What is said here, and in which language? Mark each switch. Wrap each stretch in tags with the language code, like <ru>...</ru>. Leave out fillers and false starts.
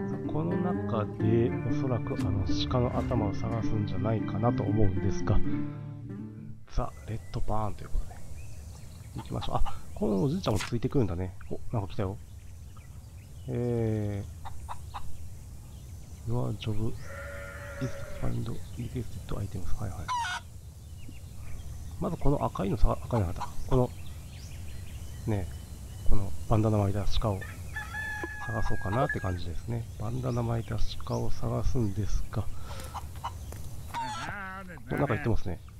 <ja>この中でおそらくあの鹿の頭を探すんじゃないかなと思うんですが、ザ・レッドバーンということで行きましょう。あ、このおじいちゃんもついてくるんだね。お、なんか来たよ。</ja> <en>Your job is to find requested items.</en> <ja>はいはい。まずこの赤いのさ、赤いのあった。この、ねえ、このバンダナ巻いた鹿を探そうかなって感じですね。バンダナ巻いた鹿を探すんですが、なんか言ってますね。</ja>